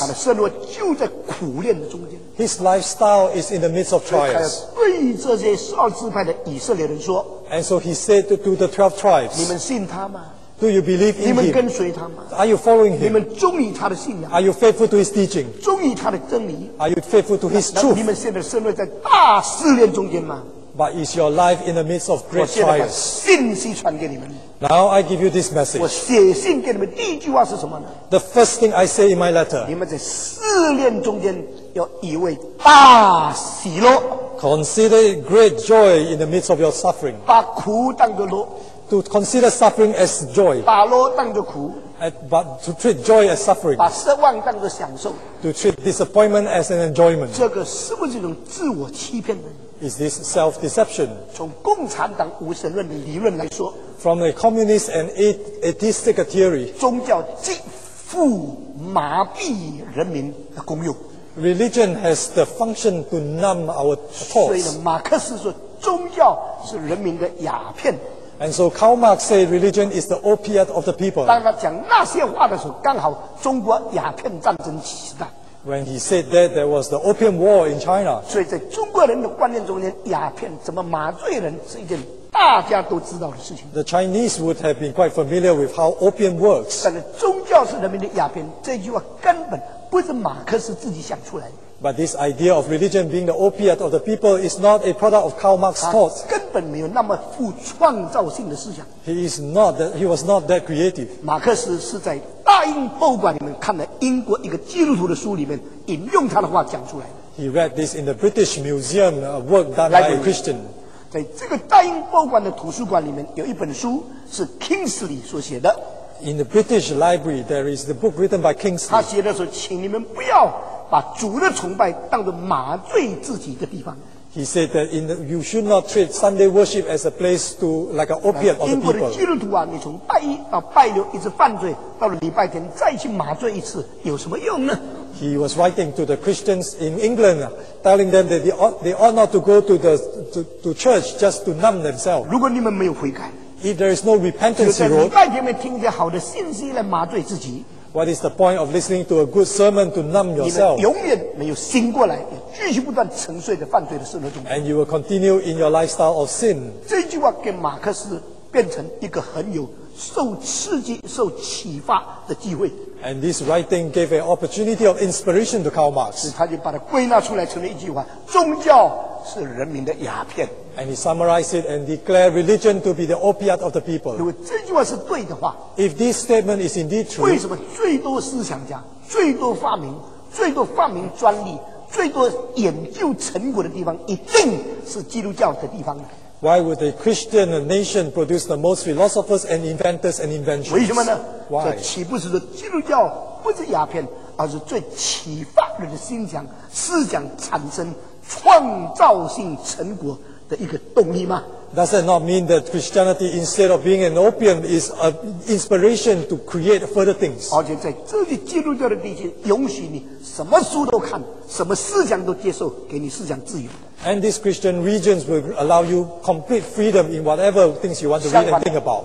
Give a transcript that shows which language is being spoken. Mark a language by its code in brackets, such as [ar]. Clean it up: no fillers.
[zh] 他的生活就在苦练的中间。 [en] His lifestyle is in the midst of trials. [zh] 所以他要对这些十二支派的以色列人说。 [en] And so he said to the 12 tribes, [zh] 你们信他吗？ [en] Do you believe in him? [zh] 你们跟随他吗？ [en] Are you following him? [zh] 你们忠于他的信仰？ [en] Are you faithful to his teaching? [zh] 忠于他的真理？ [en] Are you faithful to his truth? [zh] 你们现在生活在大试炼中间吗？ [en] But is your life in the midst of great trials? [zh] 我现在把信息传给你们。 [en] Now I give you this message. [zh] 我写信给你们第一句话是什么呢？ [en] The first thing I say in my letter. [zh] 你们在试炼中间要以为大喜乐。 [en] Consider great joy in the midst of your suffering. [zh] 把苦当作乐。 [en] To consider suffering as joy. [zh] 把乐当作苦。 [en] But to treat joy as suffering. [zh] 把失望当作享受。 [en] To treat disappointment as an enjoyment. [zh] 这个是不是一种自我欺骗呢？ [en] Is this self-deception? [zh] 从共产党无神论理论来说， [en] From a communist and atheistic theory, [zh] 宗教极富麻痹人民的功用。 [en] Religion has the function to numb our thoughts. [zh] 所以呢，马克思说宗教是人民的鸦片。 [en] And so Karl Marx said religion is the opiate of the people. [zh] 当他讲那些话的时候，刚好中国鸦片战争起时代。 [en] When he said that there was the Opium War in China. [zh] 所以在中国人的观念中间，鸦片怎么麻醉人是一件大家都知道的事情。 [en] The Chinese would have been quite familiar with how opium works. [zh] 但是宗教是人民的鸦片，这句话根本不是马克思自己想出来的。 [en] But this idea of religion being the opiate of the people is not a product of Karl Marx's thoughts. [zh] 他根本没有那么富创造性的思想。 [en] He was not that creative. [zh] 马克思是在大英博物馆里面看了英国一个基督徒的书里面引用他的话讲出来的。 [en] He read this in the British Museum, a work done by a Christian. [zh] 在这个大英博物馆的图书馆里面有一本书是 Kingsley 所写的。 [en] In the British Library, there is the book written by Kingsley. [zh] 他写的时候，请你们不要把主的崇拜当作麻醉自己的地方。 [en] He said that in the, you should not treat Sunday worship as a place to like an opiate of the people. [zh] 英国的基督徒啊，你从拜一啊拜六一直犯罪，到了礼拜天再去麻醉一次，有什么用呢？ [en] He was writing to the Christians in England, telling them that they ought not to go to church just to numb themselves. [zh] 如果你们没有悔改， [en] if there is no repentance, [zh] 就在礼拜天没听见好的信息来麻醉自己。 [en] What is the point of listening to a good sermon to numb yourself? [zh] 你们永远没有醒过来，继续不断沉睡在犯罪的生活中。 [en] And you will continue in your lifestyle of sin. [zh] 这句话给马克思变成一个很有受刺激、受启发的机会。 [en] And this writing gave an opportunity of inspiration to Karl Marx. [zh] 他就把它归纳出来成了一句话：宗教是人民的鸦片。 [en] And he summarized it and declared religion to be the opiate of the people. [zh] 如果这句话是对的话， [en] if this statement is indeed true, [zh] 为什么最多思想家、最多发明、最多发明专利、最多研究成果的地方，一定是基督教的地方呢？ [en] Why would a Christian nation produce the most philosophers and inventors and inventions? [zh] 为什么呢？ [en] Why? [zh] 这岂不是基督教不是鸦片，而是最启发人的心想思想产生创造性成果的一个动力吗？ [en] Does that not mean that Christianity, instead of being an opium, is an inspiration to create further things? [zh] 而且在这些基督教的地区，允许你什么书都看，什么思想都接受，给你思想自由。 [en] And these Christian regions will allow you complete freedom in whatever things you want to read and think about.